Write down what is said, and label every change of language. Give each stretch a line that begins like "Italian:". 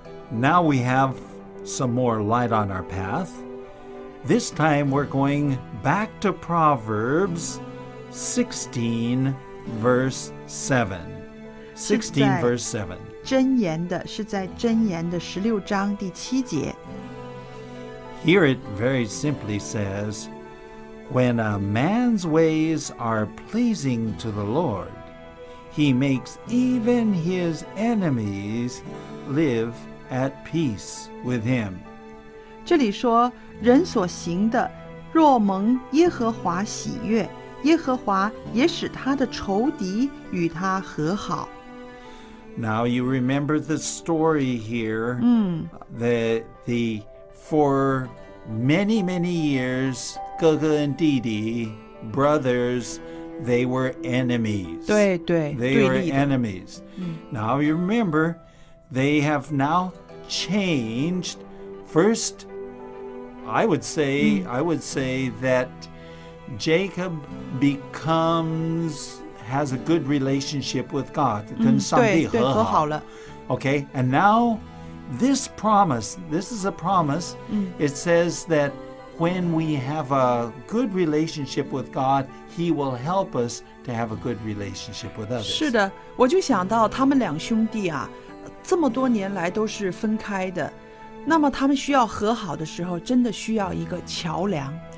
English: Now we have some more light on our path. This time we're going back to Proverbs 16, verse 7. 16, verse 7.
Chinese: 箴言的是在箴言的16章第7节.
English: Here it very simply says, when a man's ways are pleasing to the Lord, he makes even his enemies live at peace with him.
Chinese: 这里说, 人所行的若蒙耶和华喜悦, 耶和华也使他的仇敌与他和好.
English: Now you remember the story here. The for many, many years,
Chinese: 哥哥和弟弟,
English: brothers, they were enemies.
Chinese: 对,
English: they were enemies. Now you remember, they have now changed. First, I would say that Jacob has a good relationship with God.
Chinese: 跟上帝和好了.
English: Okay, and now this promise, this is a promise. It says that when we have a good relationship with God, he will help us to have a good relationship with others.
Chinese: 是的, 我就想到他们两兄弟啊, 这么多年来都是分开的，那么他们需要和好的时候，真的需要一个桥梁，